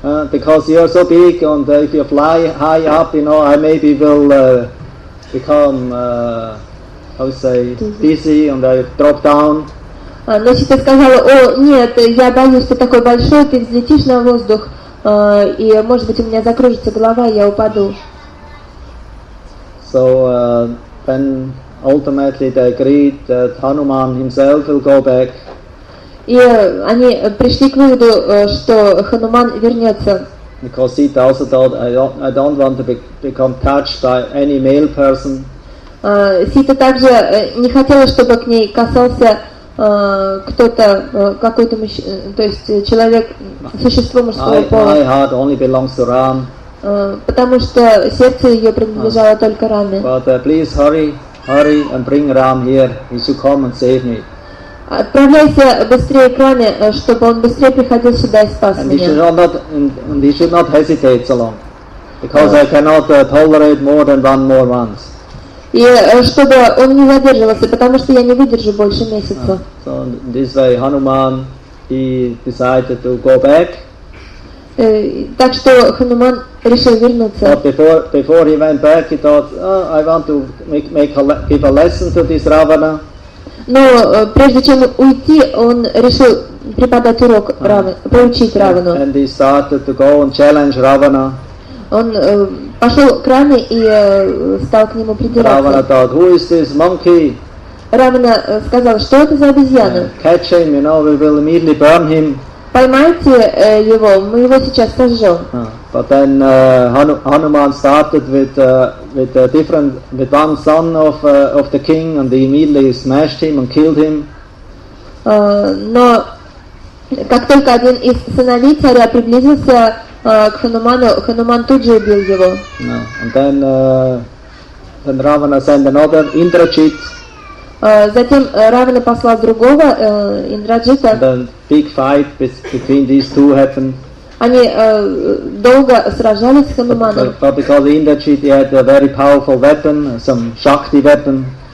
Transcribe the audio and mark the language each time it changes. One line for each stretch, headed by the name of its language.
English: Because you are so big, and if you fly high up, you know, I maybe will dizzy, and I drop down.
Russian: Но Сита сказала, о, нет, я боюсь, что такой большой, ты взлетишь на воздух, и, может быть, у меня закружится голова, и я упаду.
English: So, then, ultimately, they agreed that Hanuman himself will go back.
Russian: И они пришли к выводу, что Хануман вернется.
English: Because Sita also thought, I don't want to become touched by any male person.
Russian: Сита также не хотела, чтобы к ней касался кто-то, какой-то мужчина, то есть человек, существо мужского пола.
English: My heart only belongs to Ram.
Russian: Потому что сердце ее принадлежало только Раме.
English: But please hurry and bring Ram here. He should come and save me.
Russian: Отправляйся быстрее к Раме, чтобы он быстрее приходил сюда и спас меня.
English: And he should not hesitate so long, because I cannot tolerate more than one more month.
Russian: И чтобы он не задерживался, потому что я не выдержу больше месяца.
English: So in this way, Hanuman, he decided to go back.
Russian: Так что Хануман решил вернуться.
English: But before he went back, he thought, oh, I want to give a lesson to this Ravana.
Russian: Но прежде чем уйти, он решил преподать урок Раме, поучить Равану.
English: And he started to go and challenge Ravana.
Russian: Он пошел к Раме и стал к нему придираться.
English: Ravana thought, who is this monkey?
Russian: Равана сказал, что это за обезьяна?
English: Catch him, you know, we will immediately burn him.
Russian: Поймайте его, мы его сейчас сожжем.
English: But then Hanuman started with one son of the king, and he immediately smashed him and killed him.
Russian: Но как только один из сыновей царя приблизился к Хануману, Хануман тут же убил его.
English: And then Ravana sent another Indrajit.
Russian: Затем Равана послал другого Индраджита.
English: And then big fight between these two happened.
Russian: Они долго сражались с Хануманом.
English: But because Indrajit had a very powerful weapon, some Shakti weapon.